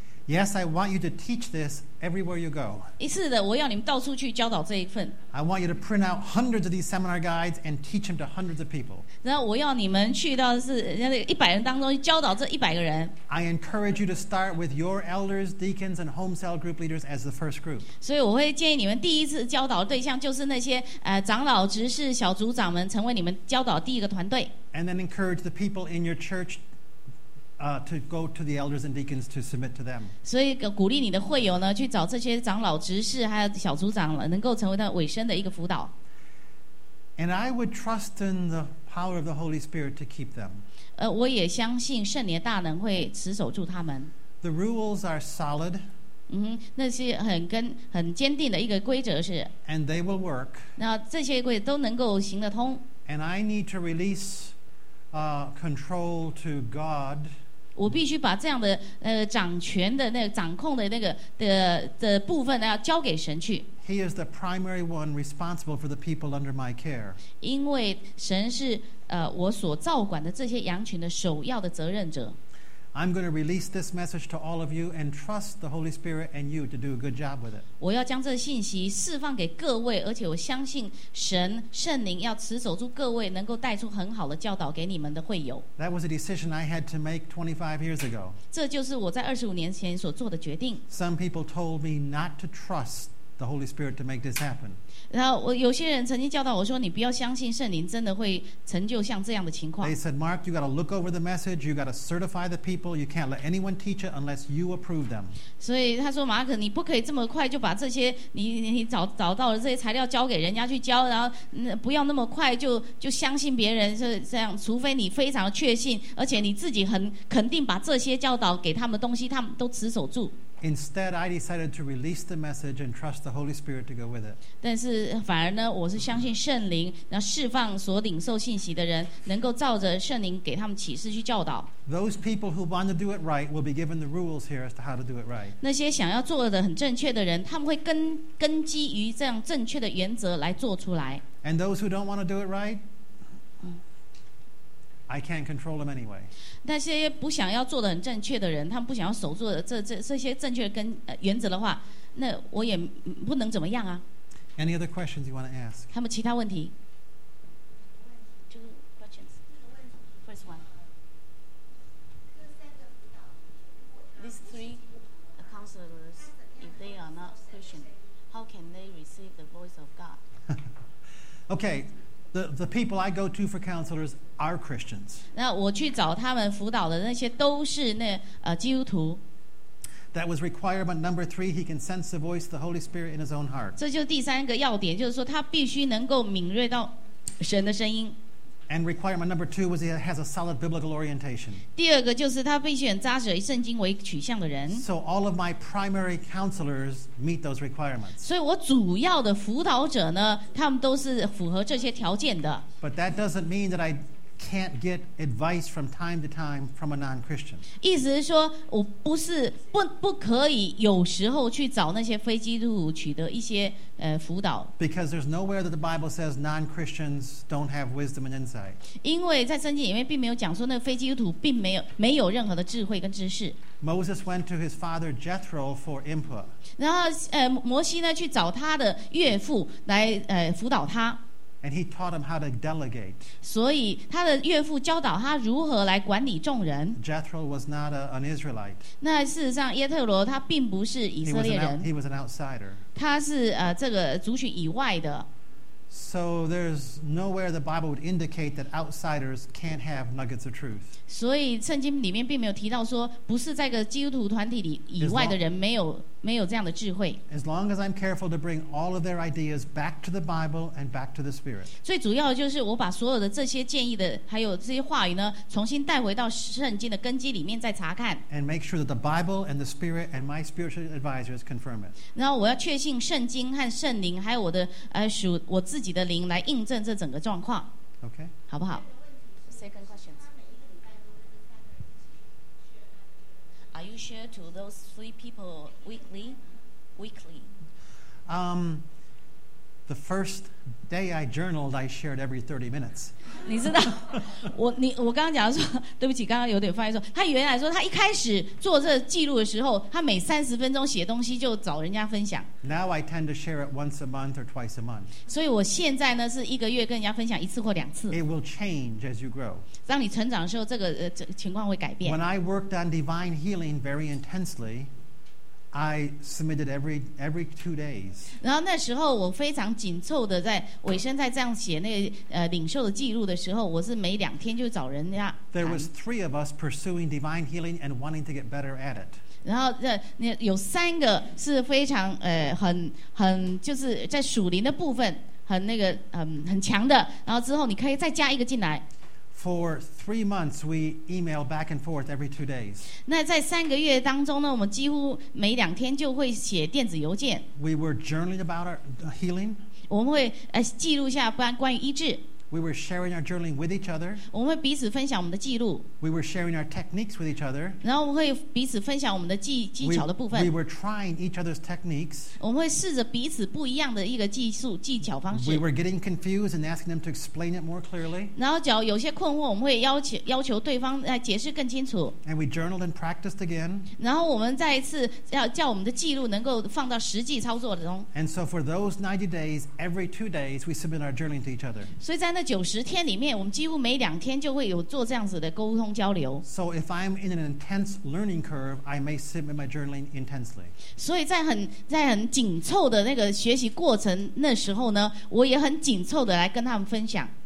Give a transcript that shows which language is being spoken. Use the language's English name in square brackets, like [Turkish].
[English] Yes, I want you to teach this everywhere you go. [Chinese] 是的，我要你们到处去教导这一份。 [English] I want you to print out hundreds of these seminar guides and teach them to hundreds of people. [Chinese] 然后我要你们去到是100人当中教导这100个人。 [English] I encourage you to start with your elders, deacons, and home cell group leaders as the first group. [Chinese] 所以我会建议你们第一次教导对象就是那些长老、执事、小组长们成为你们教导第一个团队。 [English] And then encourage the people in your church to go to the elders and deacons to submit to them. [Chinese] 所以鼓励你的会友呢，去找这些长老、执事还有小组长，能够成为他委身的一个辅导。 [English] And I would trust in the power of the Holy Spirit to keep them. [Chinese] 我也相信圣灵的大能会持守住他们。 [English] The rules are solid. [Chinese] 那些很坚定的一个规则是。 [English] And they will work. [Chinese] 那这些规则都能够行得通。 [English] And I need to release. Control to God. [Chinese] 我必须把这样的掌权的那个掌控的那个的部分要交给神去。 [English] He is the primary one responsible for the people under my care. [Chinese] 因为神是我所照管的这些羊群的首要的责任者。 [English] I'm going to release this message to all of you and trust the Holy Spirit and you to do a good job with it. [Chinese] 我要将这信息释放给各位，而且我相信神圣灵要持守住各位，能够带出很好的教导给你们的会友。 [English] That was a decision I had to make 25 years ago. [Chinese] 这就是我在25年前所做的决定。 [English] Some people told me not to trust the Holy Spirit to make this happen. [Chinese] 然后我有些人曾经教导我说，你不要相信圣灵真的会成就像这样的情况。 [English] They said, Mark, you got to look over the message, you got to certify the people, you can't let anyone teach it unless you approve them. [Chinese] 所以他说，马可，你不可以这么快就把这些你找到的这些材料交给人家去教，然后不要那么快就相信别人是这样，除非你非常确信，而且你自己很肯定把这些教导给他们的东西，他们都持守住。 [English] Instead, I decided to release the message and trust the Holy Spirit to go with it. [Chinese] 但是反而呢，我是相信圣灵，然后释放所领受信息的人，能够照着圣灵给他们启示去教导。 [English] Those people who want to do it right will be given the rules here as to how to do it right. [Chinese] 那些想要做的很正确的人，他们会根基于这样正确的原则来做出来。 [English] And those who don't want to do it right, I can't control them anyway. [Chinese] 那些不想要做的很正确的人，他们不想要守住的这些正确跟原则的话，那我也不能怎么样啊。 [English] Any other questions you want to ask? [Chinese] 他们其他问题？ [English] Two questions. one. These three counselors, if they are not Christian, how can they receive the voice of God? Okay. The people I go to for counselors are Christians. [Chinese] 那我去找他们辅导的那些都是那基督徒。 [English] That was requirement number three. He can sense the voice of the Holy Spirit in his own heart. [Chinese] 这就是第三个要点，就是说他必须能够敏锐到神的声音。 [English] And requirement number two was he has a solid biblical orientation. [Chinese] 第二个就是他必须很扎实，以圣经为取向的人。 [English] So all of my primary counselors meet those requirements. [Chinese] 所以我主要的辅导者呢，他们都是符合这些条件的。 [English] But that doesn't mean that I can't get advice from time to time from a non-Christian. [Chinese] 意思是说，我不是不可以有时候去找那些非基督徒取得一些辅导。 [English] Because there's nowhere that the Bible says non-Christians don't have wisdom and insight. [Chinese] 因为在圣经里面并没有讲说那个非基督徒并没有任何的智慧跟知识。 [English] Moses went to his father Jethro for input. [Chinese] 然后摩西呢去找他的岳父来辅导他。 [English] And he taught him how to delegate. [Chinese] 所以他的岳父教导他如何来管理众人。 [English] Jethro was not an Israelite. [Chinese] 那事实上耶特罗他并不是以色列人。 [English] He was an outsider. [Chinese] 他是这个族群以外的。 [English] So there's nowhere the Bible would indicate that outsiders can't have nuggets of truth. [Chinese] 所以圣经里面并没有提到说不是在个基督徒团体里以外的人没有这样的智慧。 [English] As long as I'm careful to bring all of their ideas back to the Bible and back to the Spirit. [Chinese] 最主要的就是我把所有的这些建议的还有这些话语呢重新带回到圣经的根基里面再查看。 [English] And make sure that the Bible and the Spirit and my spiritual advisors confirm it. [Chinese] 然后我要确信圣经和圣灵还有我的属我自己的灵来印证这整个状况。 [English] Okay. [Chinese] 好不好？ [English] Second question. Are you sure to those three people weekly? The first day I journaled, I shared every 30 minutes. [Chinese] 你知道，我刚刚讲说，对不起，刚刚有点发言说，他原来说他一开始做这记录的时候，他每30分钟写东西就找人家分享。 [English] Now I tend to share it once a month or twice a month. [Chinese] 所以我现在呢是一个月跟人家分享一次或两次。 [English] It will change as you grow. [Chinese] 当你成长的时候，这情况会改变。 [English] When I worked on divine healing very intensely. I submitted every 2 days. [Chinese] 然后那时候我非常紧凑的在尾声在这样写那个领袖的记录的时候，我是每两天就找人家。 [English] There was three of us pursuing divine healing and wanting to get better at it. [Chinese] 然后有三个是非常很就是在属灵的部分很那个很强的，然后之后你可以再加一个进来。 [English] For 3 months, we email back and forth every 2 days. [Chinese] 那在三个月当中呢，我们几乎每两天就会写电子邮件。 [English] We were journaling about our healing. [Chinese] 我们会记录下关于医治。 [English] We were sharing our journaling with each other. [Chinese] 我们会彼此分享我们的记录。 [English] We were sharing our techniques with each other. [Chinese] 然后我们会彼此分享我们的技巧的部分。 [English] We were trying each other's techniques. [Chinese] 我们会试着彼此不一样的一个技巧方式。 [English] We were getting confused and asking them to explain it more clearly. [Chinese] 然后只要有些困惑，我们会要求对方来解释更清楚。 [English] And we journaled and practiced again. [Chinese] 然后我们再一次要叫我们的记录能够放到实际操作中。 [English] And so for those 90 days, every 2 days, we submit our journaling to each other. [Chinese] 所以在那九十天里面，我们几乎每两天就会有做这样子的沟通交流。 [English] So if I'm in an intense learning curve, I may submit my journaling intensely. [Chinese] 所以在很紧凑的那个学习过程那时候呢，我也很紧凑的来跟他们分享。